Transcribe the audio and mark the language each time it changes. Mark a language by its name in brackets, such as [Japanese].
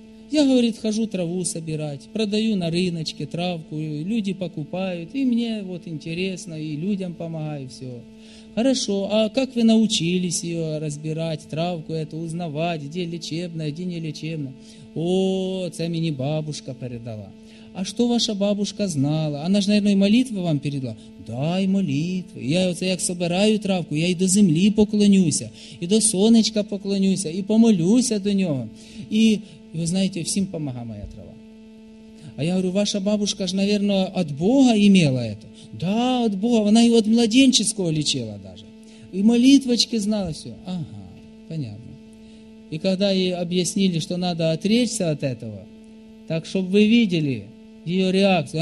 [Russian] Я, говорит, хожу траву собирать, продаю на рыночке травку, люди покупают, и мне вот интересно, и людям помогаю, все. Хорошо, а как вы научились ее разбирать, травку эту узнавать, где лечебная, где не лечебная? О, это мне бабушка передала. А что ваша бабушка знала? Она же, наверное, и молитвы вам передала. Да, и молитвы. [Ukrainian] Я вот як собираю травку, я и до земли поклонюся, и до сонечка поклонюся, и помолюся до нього. І ви знаєте, всім помагає моя трава. [Russian] А я говорю, ваша бабушка ж, наверное, от Бога имела это. Да, от Бога. Вона і от младенческого лечила даже. [Ukrainian] І молитвочки знала все. [Russian] Ага, понятно. І когда [Ukrainian] їй об'яснили, що [Russian] надо отречься от этого, так щоб ви видели ее реакцию.